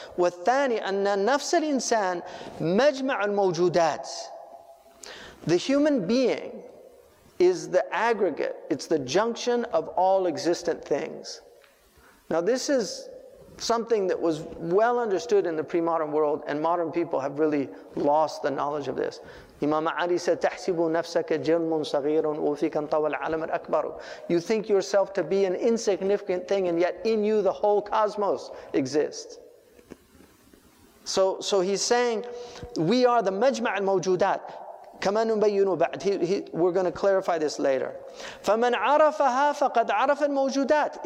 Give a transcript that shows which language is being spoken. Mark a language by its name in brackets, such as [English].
[Arabic] وَالثَّانِي أَنَّ نَفْسَ الْإِنسَانِ مَجْمَعُ الْمَوْجُودَاتِ. [English] The human being is the aggregate, it's the junction of all existent things. Now this is something that was well understood in the pre-modern world, and modern people have really lost the knowledge of this. Imam Ali said, [Arabic] تَحْسِبُ نَفْسَكَ جِرْمٌ صَغِيرٌ وَفِيكَ انْطَوَى الْعَلَمَ الْأَكْبَرُ. [English] You think yourself to be an insignificant thing, and yet in you the whole cosmos exists. So he's saying, we are the [Arabic] مَجْمَعَ الْمَوْجُودَاتِ كَمَا نُبَيِّنُ بَعْدِ. [English] We're going to clarify this later. [Arabic] فَمَنْ عَرَفَهَا فَقَدْ عَرَفَ الْمَوْجُودَاتِ.